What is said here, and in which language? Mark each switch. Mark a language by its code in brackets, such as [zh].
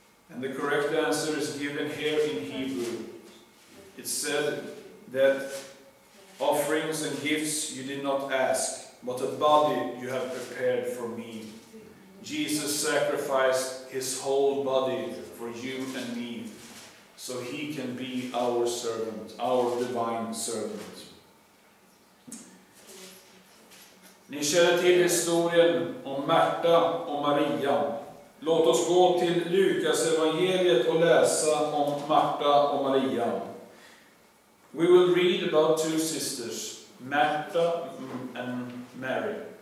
[en] And the correct answer is given here in Hebrew. It said that offerings and gifts you did not ask, but a body you have prepared for me. Jesus sacrificed his whole body for you and me, so he can be our servant, our divine servant. [sv] Ni känner till historien om Märta och Maria. Låt oss gå till Lukas evangeliet och läsa om Märta och Maria. [en] We will read about two sisters, Märta and Mary.